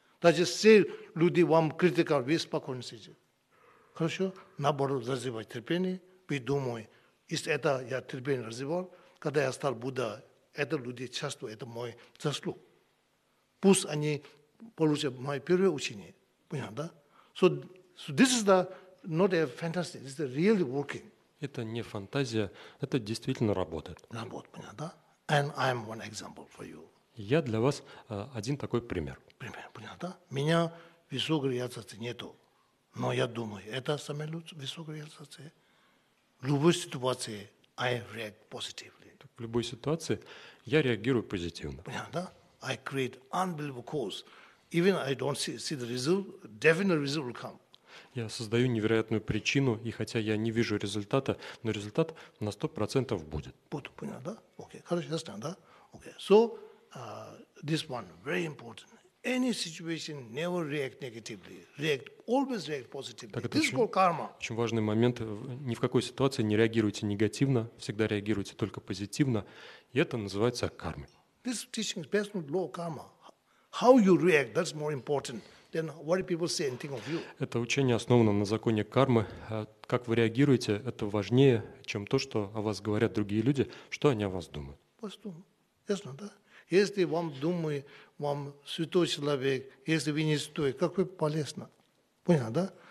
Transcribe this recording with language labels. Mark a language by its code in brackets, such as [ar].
[ru] Даже все люди вам критикуют, вы спокойно сидите. Хорошо? Наоборот, развивать терпение. Вы думаете, если это я терпение развивал, когда я стал Будда, это люди часто, это мой заслуг. Пусть они получат мое первое учение. Понял, да? [en] So this is the not a fantasy, this is the really working. [ru] Это не фантазия, это действительно работает. Работает, понятно, да? [en] And I'm one example for you. [ru] Я для вас один такой пример. Пример, понятно, да? Меня высокого реализации нету, но я думаю, это самое лучшее высокого реализации. В любой ситуации [en] I react positively. [ru] Так, в любой ситуации я реагирую позитивно. Понятно, да? [en] I create unbelievable cause. Even I don't see the result, definitely result will come. [ru] Я создаю невероятную причину, и хотя я не вижу результата, но результат на 100% будет. Буду, понял, да? Окей, хорошо, ясно, да? Окей, [en] so, this one, very important. Any situation never react negatively. React, always react positively. [ru] Так, [en] this is called karma. [ru] Очень важный момент. Ни в какой ситуации не реагируйте негативно, всегда реагируйте только позитивно. И это называется карма. [en] This teaching is based on law of karma. How you react, that's more important. Then what do people say and think of you? [ru] Это учение основано на законе кармы. Как вы реагируете, это важнее, чем то, что о вас говорят другие люди, что они о вас думают. Ясно, да? Если вам думают, вам святой человек, если вы не святой, как вы полезно. Понятно, да?